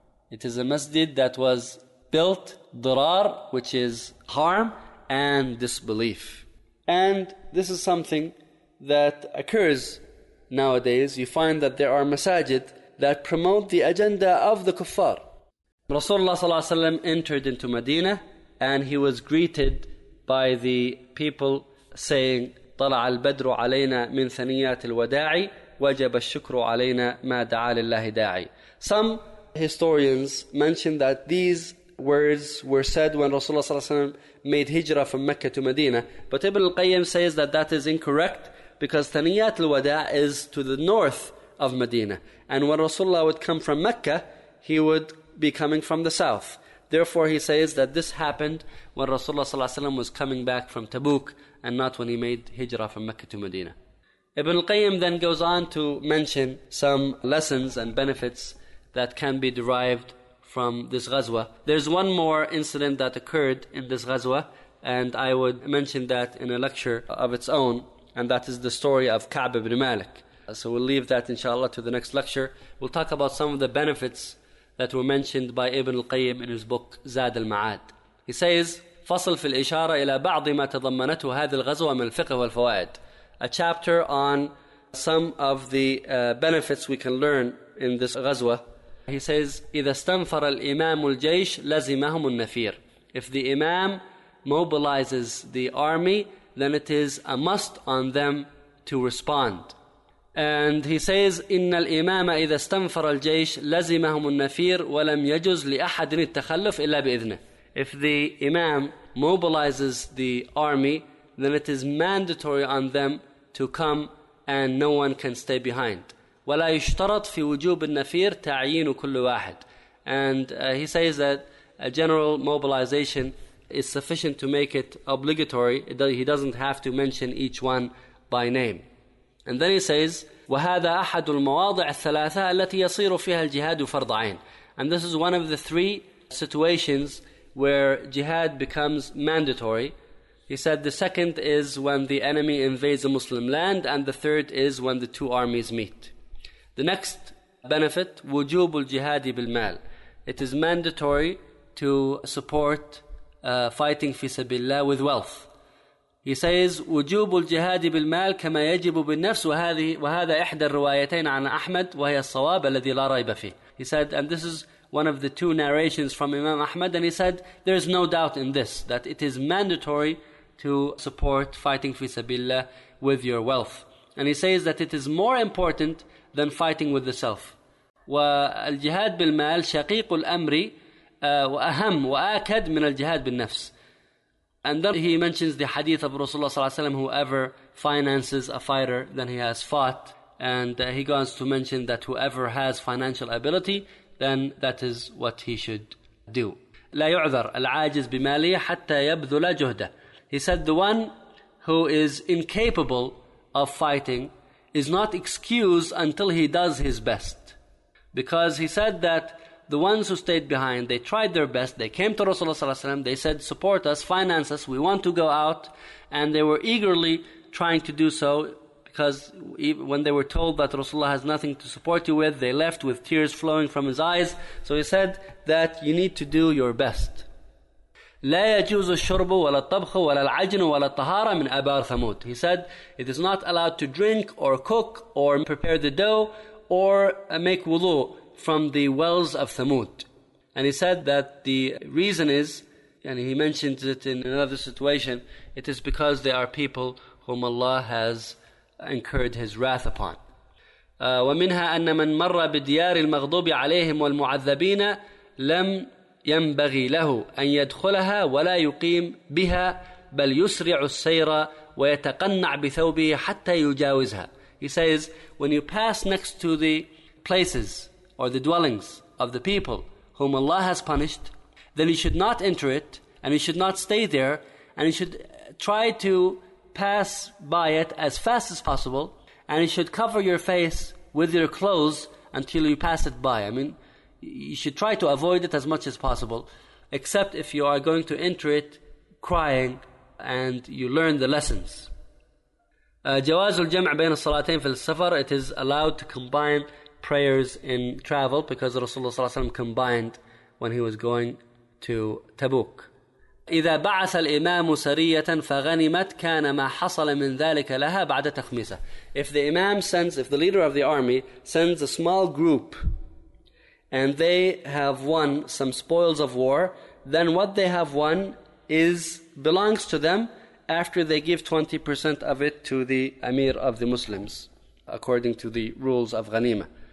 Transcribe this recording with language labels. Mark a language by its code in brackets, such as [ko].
[en] It is a masjid that was built dirar, which is harm and disbelief. And this is something that occurs nowadays. You find that there are masajid that promote the agenda of the kuffar. Rasulullah ﷺ entered into Medina and he was greeted by the people saying, [ar] طَلَعَ الْبَدْرُ عَلَيْنَا مِنْ ثَنِيَاتِ الْوَدَاعِ وَجَبَ الشُّكْرُ عَلَيْنَا مَا دَعَى لِلَّهِ دَاعِ. [en] Some historians mention that these words were said when Rasulullah ﷺ made hijrah from Mecca to Medina. But Ibn al-Qayyim says that is incorrect, because Thaniyat al-Wada' is to the north of Medina. And when Rasulullah would come from Mecca, he would be coming from the south. Therefore, he says that this happened when Rasulullah ﷺ was coming back from Tabuk and not when he made hijrah from Mecca to Medina. Ibn al-Qayyim then goes on to mention some lessons and benefits that can be derived from this ghazwa. There's one more incident that occurred in this ghazwa, and I would mention that in a lecture of its own, and that is the story of Ka'b ibn Malik. So we'll leave that, inshallah, to the next lecture. We'll talk about some of the benefits that were mentioned by Ibn al-Qayyim in his book Zad al-Ma'ad. He says, [ar] فصل في الإشارة إلى بعض ما تضمنته هذه الغزوة من الفقه والفوائد. [en] A chapter on some of the benefits we can learn in this غزوة. He says, [ar] إذا استنفر الإمام الجيش لزمهم النفير. [en] If the Imam mobilizes the army, then it is a must on them to respond. And he says, [ar] إن الإمام إذا استنفر الجيش لزمهم النفير ولم يجوز لأحد التخلف إلا بإذنه. [en] If the Imam mobilizes the army, then it is mandatory on them to come and no one can stay behind. [ar] ولا يشترط في وجوب النفير تعيين كل واحد. [en] And he says that a general mobilization is sufficient to make it obligatory. He doesn't have to mention each one by name. And then he says, [ar] وهذا أحد المواضع الثلاثة التي يصير فيها الجهاد فرض عين. [en] And this is one of the three situations where jihad becomes mandatory. He said the second is when the enemy invades a Muslim land, and the third is when the two armies meet. The next benefit, [ar] وجوب الجهاد بالمال. [en] It is mandatory to support fighting [ar] في سبيل الله [en] with wealth. He says, [ar] وجوب الجهاد بالمال كما يجب بالنفس وهذا إحدى الروايتين عن أحمد وهي الصواب الذي لا ريب فيه. [en] He said, and this is one of the two narrations from Imam Ahmad, and he said, there is no doubt in this, that it is mandatory to support fighting [ar] في سبيل الله [en] with your wealth. And he says that it is more important than fighting with the self. [ar] والجهاد بالمال شقيق الأمر وأهم وآكد من الجهاد بالنفس. [en] And then he mentions the hadith of Rasulullah صلى الله عليه وسلم, whoever finances a fighter, then he has fought. And he goes to mention that whoever has financial ability, then that is what he should do. [ar] لا يعذر العاجز بماله حتى يبذل جهده. [en] He said the one who is incapable of fighting is not excused until he does his best. Because he said that the ones who stayed behind, they tried their best, they came to Rasulullah صلى الله عليه وسلم, they said, support us, finance us, we want to go out, and they were eagerly trying to do so, because when they were told that Rasulullah has nothing to support you with, they left with tears flowing from his eyes. So he said that you need to do your best. [ar] لا يجوز الشرب ولا الطبخ ولا العجن ولا الطهارة من أبار ثمود. [en] He said, it is not allowed to drink or cook or prepare the dough or make wudu from the wells of Thamud. And he said that the reason is, and he mentions it in another situation, it is because they are people whom Allah has incurred his wrath upon. [ar] ومنها أن من مر بديار المغضوب عليهم والمعذبين لم ينبغي له أن يدخلها ولا يقيم بها بل يسرع السير ويتقنع بثوبه حتى يجاوزها. [en] He says, when you pass next to the places or the dwellings of the people whom Allah has punished, then you should not enter it, and you should not stay there, and you should try to pass by it as fast as possible, and you should cover your face with your clothes until you pass it by. I mean, you should try to avoid it as much as possible, except if you are going to enter it crying and you learn the lessons. [ar] جواز الجمع بين الصلاتين في السفر. [en] It is allowed to combine prayers in travel, because Rasulullah صلى الله عليه وسلم combined when he was going to Tabuk. [ar] إذا بعث الإمام سرية فغنمت كان ما حصل من ذلك لها بعد تخميسه. [en] If the leader of the army sends a small group and they have won some spoils of war, then what they have won belongs to them after they give 20% of it to the Amir of the Muslims, according to the rules of Ghanima.